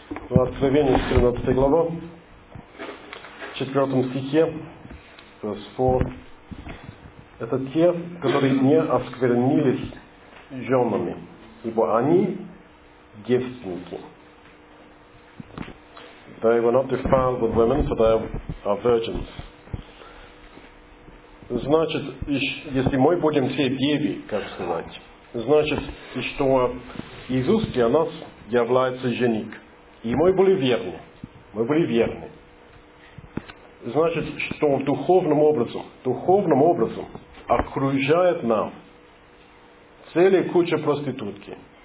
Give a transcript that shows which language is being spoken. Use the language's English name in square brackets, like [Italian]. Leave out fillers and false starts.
[Russian] В Откровении, 14 глава, в 4 стихе, это те, которые не осквернились женами, ибо они девственники. [English] They were not defiled with women, for they are virgins. [Russian] Значит, если мы будем все деви, как сказать, значит, что Иисус для нас является жених. И мы были верны. Значит, что духовным образом окружает нам целая куча проститутки.